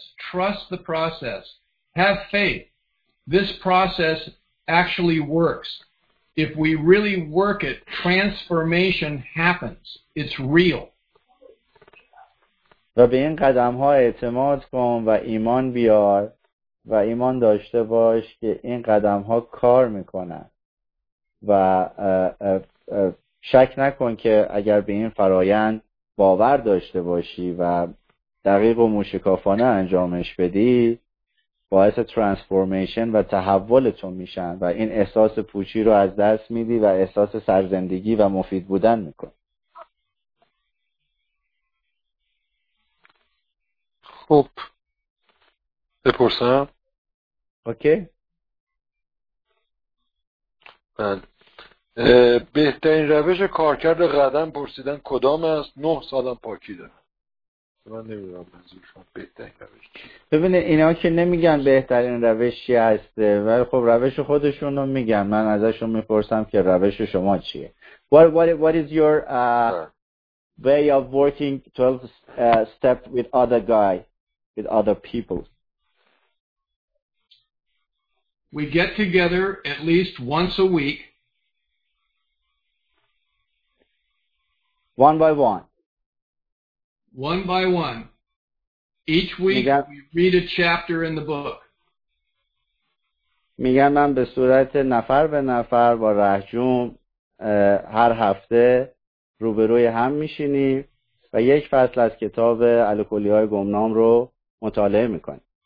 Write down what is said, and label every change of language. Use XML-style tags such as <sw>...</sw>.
<en>trust the process, have faith, this process actually works. If we really work it, transformation happens, it's real.</en> <fa>و به این قدم ها اعتماد کن و ایمان بیار و ایمان داشته باش که این قدم ها کار میکنن و شک نکن که اگر به این فرایند باور داشته باشی و دقیق و موشکافانه انجامش بدی باعث ترانسفورمیشن و تحولتون میشن و این احساس پوچی رو از دست میدی و احساس سرزندگی و مفید بودن میکن. خب بپرسم.</fa> <en>Okay.</en> <fa>بله. بهترین روش کارکرد قدم پرسیدن کدام است؟ 9 سالم پاکی دارم. من نمیدونم منظورشون بهترین روش چیه. ببینه اینا که نمیگن بهترین روش چی هست، ولی خب روش خودشون رو میگن. من ازشون میپرسم که روش شما چیه.</fa> <en>What is your way of working 12 step with other guy, with other people? We get together at least once a week. One by one. Each week we read a chapter in the book.</en> <fa>میگم من به صورت نفر به نفر با رهجوم هر هفته روبروی هم میشینیم و یک فصل از کتاب الکلی‌های گمنام رو مطالعه میکنیم.</fa>